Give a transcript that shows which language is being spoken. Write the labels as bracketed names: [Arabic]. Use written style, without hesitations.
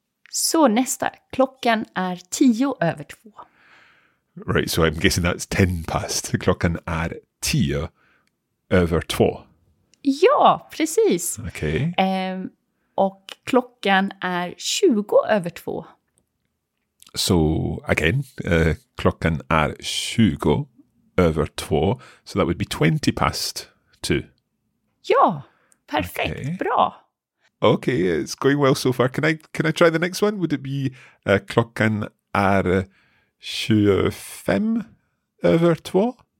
[Swedish] Så nästa, klockan är tio över två. [English] Right, so I'm guessing that's ten past. [Swedish] Klockan är tio över två. Ja, precis. Okay. Och klockan är 20 över två. [English] So again, [Swedish] klockan är 20 över två. [English] So that would be 20 past two. [Swedish] Ja, perfekt. Okay. Bra. [English] Okay, it's going well so far. Can I try the next one? Would it be [Swedish] klockan är 25 över två?